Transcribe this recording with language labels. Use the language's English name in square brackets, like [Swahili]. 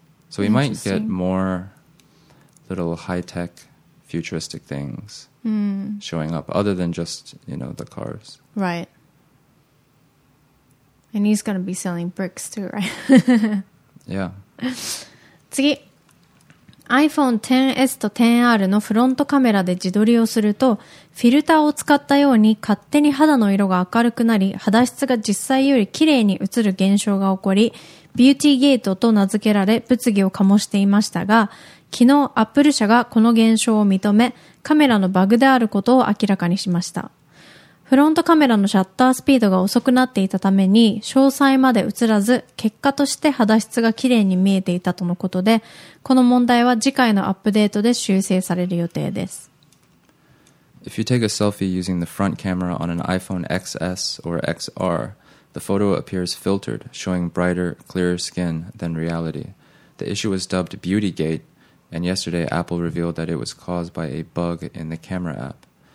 [English] So we might get more little high-tech futuristic things showing up, other than just, you know, the cars. Right. And he's going to be selling bricks too, right? Yeah. [Japanese] 次。 iPhone XS と XR のフロントカメラで自撮りをすると、フィルターを使ったように勝手に肌の色が明るくなり、肌質が実際より綺麗に映る現象が起こり、ビューティーゲートと名付けられ物議を醸していましたが、昨日 Apple 社がこの現象を認め、カメラのバグであることを明らかにしました。フロントカメラのシャッタースピードが遅くなっていたために、詳細まで映らず、結果として肌質が綺麗に見えていたとのことで、この問題は次回のアップデートで修正される予定です。 [English] If you take a selfie using the front camera on an iPhone XS or XR, the photo appears filtered, showing brighter, clearer skin than reality. The issue was dubbed Beauty Gate, and yesterday Apple revealed that it was caused by a bug in the camera app.